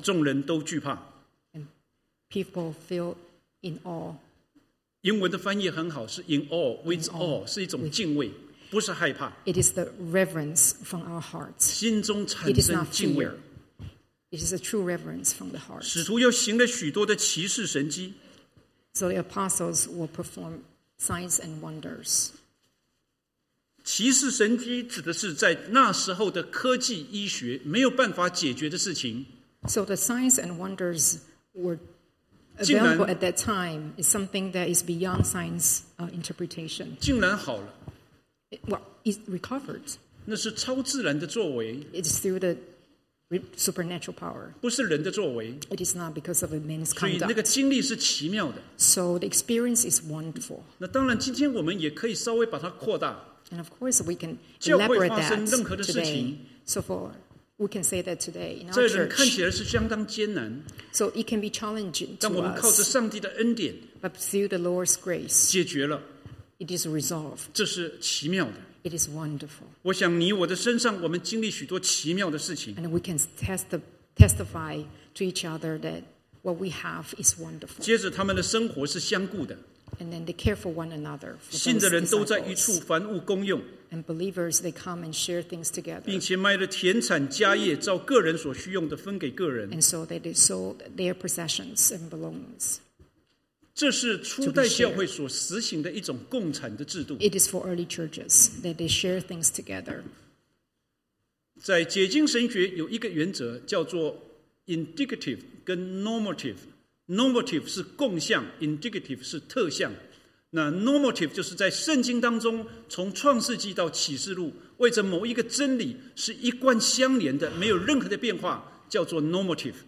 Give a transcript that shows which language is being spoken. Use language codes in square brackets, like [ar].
[zh] 众人都惧怕。 [en] And people feel in awe. [zh] 英文的翻译很好，是 [en] in awe, with awe, [zh] 是一种敬畏，不是害怕。 [en] It is the reverence from our hearts. [zh] 心中产生敬畏。 [en] It is a true reverence from the heart. [zh] 使徒又行了许多的奇事神迹。 [en] So the apostles will perform signs and wonders. [zh] 奇事神迹指的是在那时候的科技医学没有办法解决的事情。 [en] So the signs and wonders were available at that time is something that is beyond science interpretation. [zh] 竟然好了。 [en] Well, it recovered. [zh] 那是超自然的作为。 [en] It's through the supernatural power. [zh] 不是人的作为。 [en] It is not because of a man's conduct. [zh] 所以那个经历是奇妙的。 [en] So the experience is wonderful. [zh] 那当然今天我们也可以稍微把它扩大。 [en] And of course, we can elaborate that today. So far, we can say that today in our church. [zh] 这人看起来是相当艰难。 [en] So it can be challenging to us. [zh] 但我们靠着上帝的恩典。 [en] But through the Lord's grace. [zh] 解决了。 [en] It is resolved. [zh] 这是奇妙的。 [en] It is wonderful. [zh] 我想你我的身上，我们经历许多奇妙的事情。 [en] And we can testify to each other that what we have is wonderful. [zh] 接着他们的生活是相顾的。 [en] and then they care for one another. For [zh] 信的人都在一处，凡物公用。 [en] And believers, they come and share things together. [zh] 并且卖了田产家业，照个人所需用的分给个人。 [en] And so they sold their possessions and belongings. [zh] 这是初代教会所实行的一种共产的制度。 [en] It is for early churches that they share things together. [zh] 在解经神学有一个原则叫做 indicative 跟 normative。 Normative 是共相 ，indicative 是特相。那 normative 就是在圣经当中，从创世纪到启示录，为着某一个真理是一贯相连的，没有任何的变化，叫做 normative。